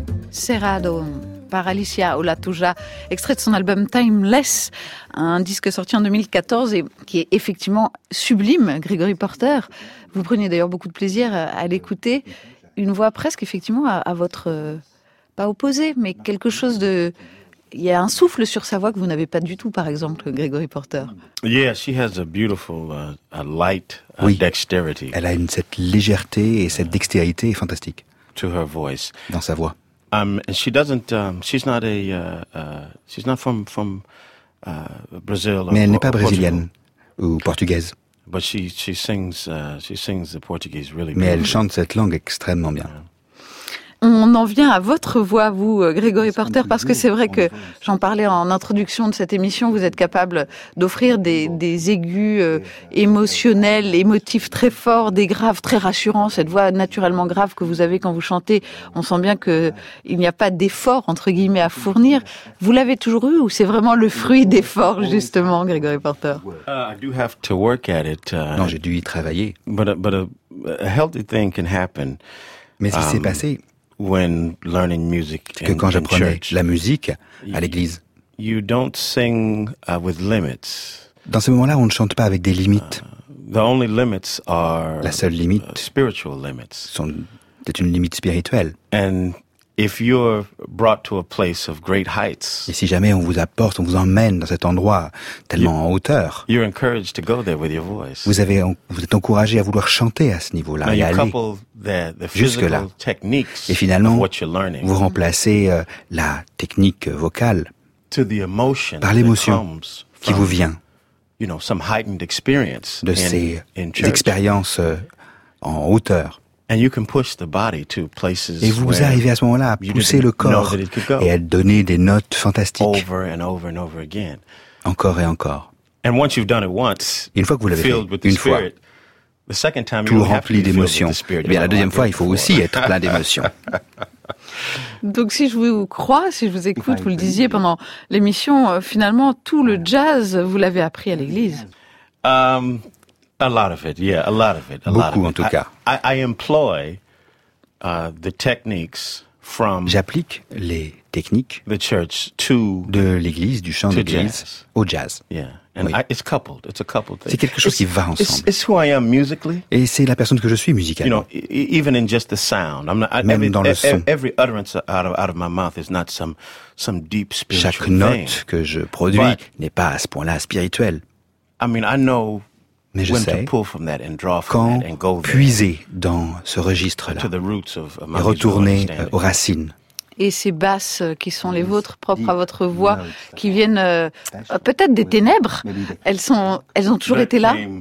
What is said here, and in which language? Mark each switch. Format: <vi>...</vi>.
<fr>Cerrado par Alicia Olatuja, extrait de son album Timeless, un disque sorti en 2014 et qui est effectivement sublime, Gregory Porter. Vous prenez d'ailleurs beaucoup de plaisir à l'écouter. Une voix presque effectivement à votre, pas opposée, mais quelque chose de... Il y a un souffle sur sa voix que vous n'avez pas du tout, par exemple, Gregory Porter.</fr> <en>Yeah, she has a beautiful, a light, a</en> <fr>oui.</fr> <en>dexterity.</en> <fr>Elle a une, cette légèreté et cette dextérité est fantastique.</fr> <en>To her voice.</en> <fr>Dans sa voix.</fr> <en>She doesn't. She's not a. She's not from Brazil.</en> <fr>Mais elle n'est pas brésilienne ou portugaise.</fr> <en>But she sings. She sings the Portuguese really.</en> <fr>Mais elle chante cette langue extrêmement bien.</fr> <en>Yeah.</en> <fr>On en vient à votre voix, vous, Gregory Porter, parce que c'est vrai que, j'en parlais en introduction de cette émission, vous êtes capable d'offrir des aigus émotionnels, émotifs très forts, des graves très rassurants, cette voix naturellement grave que vous avez quand vous chantez, on sent bien qu'il n'y a pas d'effort, entre guillemets, à fournir. Vous l'avez toujours eu ou c'est vraiment le fruit d'effort, justement, Gregory Porter? Non, j'ai dû y travailler.</fr> <en>But a healthy thing can happen.</en> <fr>Mais ce qui s'est passé...</fr> <en>When learning music</en> <fr>que quand j'apprenais la musique à l'église.</fr> <en>You don't sing with limits.</en> <fr>Dans ce moment-là, on ne chante pas avec des limites.</fr> <en>The only limits are</en> <fr>la seule limite</fr> <en>spiritual limits.</en> <fr>C'est une limite spirituelle.</fr> <en>And if you're brought to a place of great heights,</en> <fr>et si jamais on vous apporte, on vous emmène dans cet endroit tellement en hauteur,</fr> <en>you're encouraged to go there with your voice.</en> <fr>Vous êtes encouragé à vouloir chanter à ce niveau-là,</fr> <en>now</en> <fr>et aller jusque-là. Et finalement, vous remplacez la technique vocale</fr> <en>to the emotion</en> <fr>par l'émotion qui vous vient</fr> <en>you know, some heightened experience</en> <fr>de ces expériences en hauteur.</fr> <en>And you can push the body to places</en> <fr>et vous</fr> <en>where</en> <fr>arrivez à ce moment-là à pousser le corps et à donner des notes fantastiques</fr> <en>over and over and over again.</en> <fr>Encore et encore.</fr> <en>And once you've done it once,</en> <fr>une fois que vous l'avez fait,</fr> <en>with the</en> <fr>une</fr> <en>spirit,</en> <fr>fois,</fr> <en>the second time,</en> <fr>tout rempli d'émotions. Mais la deuxième fois, il faut aussi être plein d'émotions. Donc si je vous crois, si je vous écoute, vous le disiez pendant l'émotion, finalement, tout le jazz, vous l'avez appris à l'église.</fr> <en>A lot of it, yeah, a lot of it. A</en> <fr>beaucoup</fr> <en>lot of</en> <fr>en</fr> <en>it.</en> <fr>Tout cas.</fr> <en>I employ the techniques from</en> <fr>j'applique les techniques</fr> <en>the church to</en> <fr>de l'église, du chant de l'église, au jazz.</fr> <en>Yeah. And oui. It's coupled. It's a coupled thing.</en> <fr>C'est quelque chose qui va ensemble.</fr> <en>It's who I am musically.</en> <fr>Et c'est la personne que je suis musicalement.</fr> <en>You know, even in just the sound.</en> <fr>Même dans le son.</fr> <en>Every utterance out of my mouth is not some deep spiritual</en> <fr>chaque</fr> <en>thing.</en> <fr>Chaque note que je produis n'est pas à ce point-là spirituel.</fr> <en>I mean, I know.</en> <fr>Mais je sais quand puiser dans ce registre-là et retourner aux racines. Et ces basses qui sont les vôtres, propres à votre voix, qui viennent peut-être des ténèbres, elles ont toujours été là.</fr>